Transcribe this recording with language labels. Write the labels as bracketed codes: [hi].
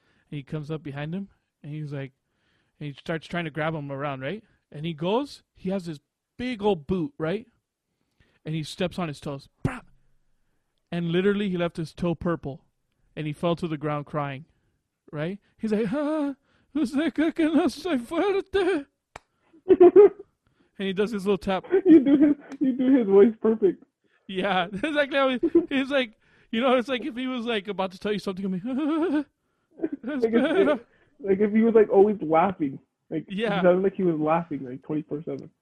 [en] And he comes up behind him, and he's like, and he starts trying to grab him around, right? And he goes, he has this big old boot, right? And he steps on his toes. Bah! And literally, he left his toe purple, and he fell to the ground crying, right? He's like, [es] ah, sé que no soy fuerte. [en] And he does his little tap. You do his voice perfect. Yeah, exactly. He's like, you know, it's like if he was like about to tell you something, I'm like, if he was like always laughing, like, yeah, it sounded like he was laughing like 24/7.